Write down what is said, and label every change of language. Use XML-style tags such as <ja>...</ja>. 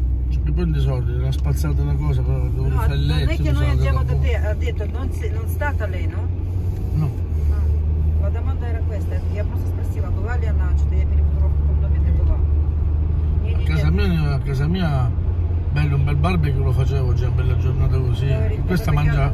<it>Che poi è un disordine, l'ha spazzata una cosa, però dovevo fare il letto. Non è che noi andiamo da te, ha detto, non è stata lei, no? No. La domanda era questa,</it> <ru>я просто спросила, была ли она, что-то я перепутала, в каком доме ты была.</ru> <it>A casa mia... Bello, un bel barbecue lo facevo già, bella giornata così. E questa mangia...</it>